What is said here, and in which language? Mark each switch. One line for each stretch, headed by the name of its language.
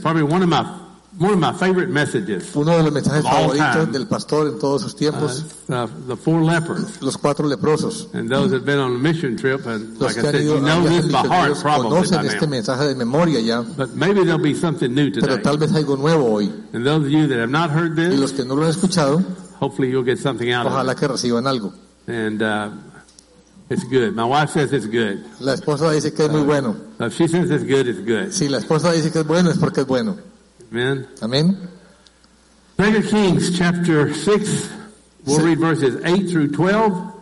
English: Probably one of my favorite messages.
Spanish: Uno de los mensajes favoritos del pastor en todos sus tiempos.
English: The four lepers.
Spanish: Los cuatro leprosos.
English: And those that have been on a mission trip, and like I said, you know this by heart probably.
Spanish: Conocen este mensaje de memoria ya.
English: But maybe there'll be something new today.
Spanish: Pero tal vez algo nuevo hoy.
English: And those of you that have not heard this,
Spanish: y los que no lo han escuchado,
English: hopefully you'll get something out of it.
Spanish: Ojalá que reciban algo.
English: And it's good. My wife says it's good.
Spanish: La esposa dice que es muy bueno.
English: If she says it's good, it's good.
Spanish: Si la esposa dice que es bueno, es porque es bueno.
English: Amen.
Spanish: Amen.
English: 2 Kings chapter 6. We'll read verses 8 through 12.